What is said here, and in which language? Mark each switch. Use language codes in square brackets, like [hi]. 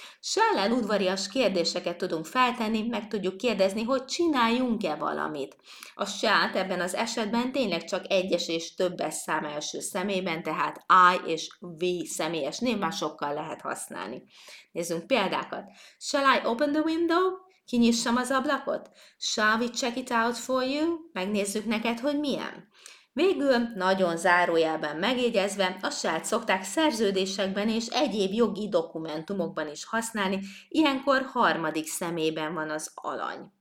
[hu] Shall-el udvarias kérdéseket tudunk feltenni, meg tudjuk kérdezni, hogy csináljunk-e valamit. A shall-t ebben az esetben tényleg csak egyes és többes szám első személyben, tehát I és we személyes névmásokkal lehet használni. Nézzünk példákat. [en] Shall I open the window? [hu] Kinyissam az ablakot? [en] Shall we check it out for you? [hu] Megnézzük neked, hogy milyen. Végül, nagyon zárójelben megjegyezve, a shall-t szokták szerződésekben és egyéb jogi dokumentumokban is használni, ilyenkor harmadik személyben van az alany.